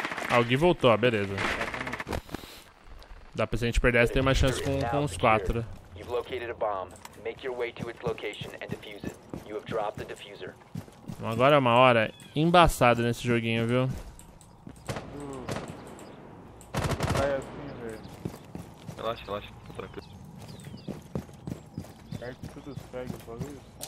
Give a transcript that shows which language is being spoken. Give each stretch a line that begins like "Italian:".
Portuguese: Alguém voltou, beleza. Dá pra se a gente perder essa, tem uma chance com os quatro.
English: You've located a bomb. Make your way to its location and defuse it. You have dropped the defuser.
Portuguese: Agora é uma hora embaçada nesse joguinho, viu? Vai assim, velho. Relaxa, relaxa. Tá tranquilo. Perto tudo segue, o bagulho.